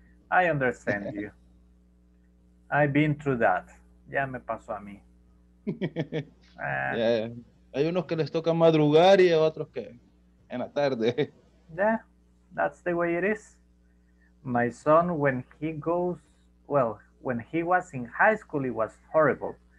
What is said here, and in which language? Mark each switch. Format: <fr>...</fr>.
<en>I understand you. I've been through that.</en> <es>Ya me pasó a mí.</es> <en>Yeah.</en> <es>Hay unos que les toca madrugar y otros que en la tarde.</es> <en>Yeah, that's the way it is. My son, when he goes, well, when he was in high school, it was horrible.</en>